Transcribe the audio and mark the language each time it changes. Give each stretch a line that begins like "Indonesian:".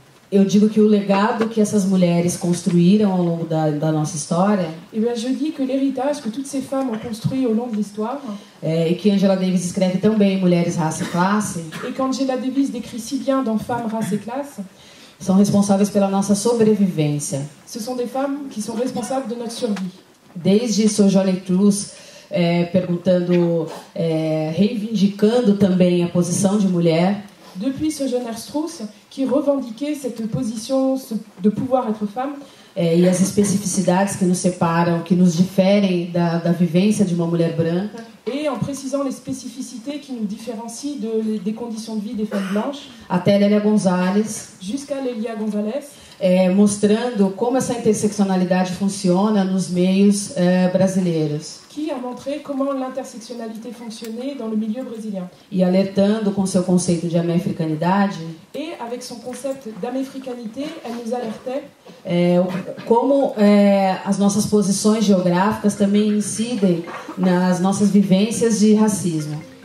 Portuguese: eu digo que o legado que essas mulheres construíram ao longo da nossa história,
French: et bien, je dis que l'héritage que toutes ces femmes ont construit au long de l'histoire, et que
Portuguese: Angela Davis escreve tão bem Mulheres, Raça e Classe,
French: et qu'Angela Davis décrit si bien dans Femmes, Race et Classe,
Portuguese: são responsáveis pela nossa sobrevivência.
French: Ce sont des femmes qui sont responsables de notre survie.
Portuguese: Desde Sojourner Truth, perguntando, reivindicando também a posição de mulher.
French: Depuis Sojourner Truth, qui revendiquait cette position de pouvoir être femme.
Portuguese: E as especificidades que nos separam, que nos diferem da vivência de uma mulher branca.
French: Et en précisant les spécificités qui nous différencient des conditions de vie des femmes blanches.
Portuguese: Até Lélia Gonzalez.
French: Jusqu'à Lélia Gonzalez.
Portuguese: Mostrando como essa interseccionalidade funciona nos meios brasileiros.
French: Qui a montré comment l'intersectionnalité fonctionnait dans le milieu brésilien.
Portuguese: E alertando com seu conceito de améfricanidade.
French: Et avec son concept d'améfricanité, elle nous alertait.
Portuguese: Como as nossas posições geográficas também incidem nas nossas vivências de racismo.